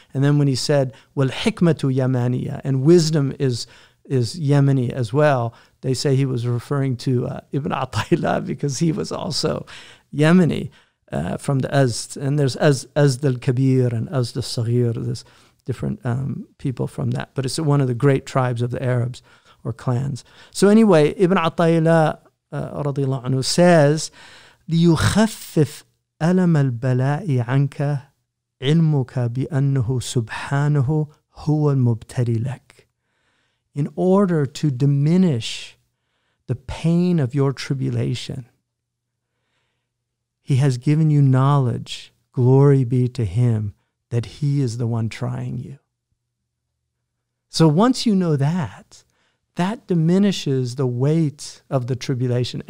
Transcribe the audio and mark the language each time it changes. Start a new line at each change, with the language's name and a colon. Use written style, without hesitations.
English: And then when he said,
Arabic: wal hikmatu Yamaniya,
English: and wisdom is Yemeni as well, they say he was referring to Ibn Atayla because he was also Yemeni from the Azd. And there's Azd al-Kabir and Azd al-Saghir, there's different people from that. But it's one of the great tribes of the Arabs or clans. So anyway, Ibn Atayla radiallahu anhu says,
Arabic: لِيُخَفِّفْ أَلَمَ الْبَلَاءِ عَنْكَ عِلْمُكَ بِأَنَّهُ سُبْحَانَهُ هُوَ الْمُبْتَلِي لَكَ.
English: In order to diminish the pain of your tribulation, he has given you knowledge, glory be to him, that he is the one trying you. So once you know that, that diminishes the weight of the tribulation.